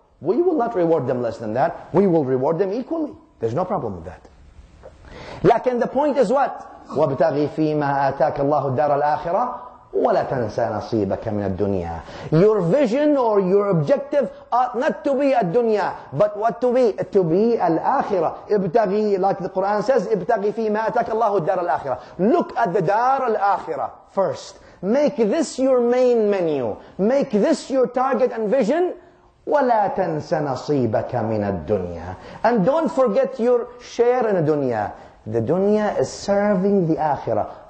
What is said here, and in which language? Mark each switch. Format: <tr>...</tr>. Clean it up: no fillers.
<en>We will not reward them less than that. We will reward them equally. There's no problem with that. لكن the point is what?</en> <ar>وَابْتَغِي فِيمَا آتَاكَ اللَّهُ الدَّارَ الْآخِرَةِ وَلَا تَنْسَى نَصِيبَكَ مِنَ الدُّنْيَا.</ar> <en>Your vision or your objective ought not to be a dunya, but what to be? To be al-akhirah.</en> <ar>ابْتَغِي,</ar> <en>like the Qur'an says,</en> <ar>ابْتَغِي فِيمَا آتَاكَ اللَّهُ الدَّارَ الْآخِرَةِ.</ar> <en>Look at the دار الْآخِرَةِ first. Make this your main menu. Make this your target and vision.</en> <ar>وَلَا تَنْسَ نَصِيبَكَ مِنَ الدُّنْيَا.</ar> <en>And don't forget your share in the dunya. The dunya is serving the akhirah.</en>